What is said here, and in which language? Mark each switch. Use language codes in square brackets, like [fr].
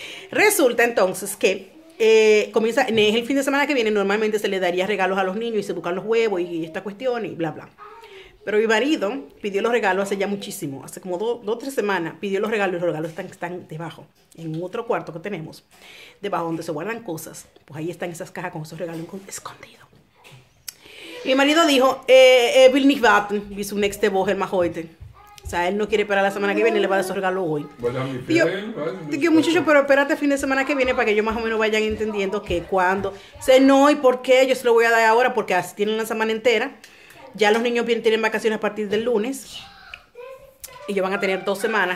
[es] Resulta entonces que comienza en el fin de semana que viene, normalmente se le daría regalos a los niños y se buscan los huevos y esta cuestión y bla, bla. Pero mi marido pidió los regalos hace ya muchísimo, hace como dos o tres semanas, pidió los regalos y los regalos están debajo, en otro cuarto que tenemos, debajo donde se guardan cosas, pues ahí están esas cajas con esos regalos escondidos. [de] Mi marido dijo, will nicht warten, bis zum nächste Woche mach heute. [es] O sea, él no quiere esperar la semana que viene, le va a dar su regalo hoy. Bueno, digo, muchacho, pero espérate el fin de semana que viene para que ellos más o menos vayan entendiendo que cuándo. O sea, no, ¿y por qué? Yo se lo voy a dar ahora porque así tienen la semana entera. Ya los niños tienen vacaciones a partir del lunes. Y ellos van a tener dos semanas.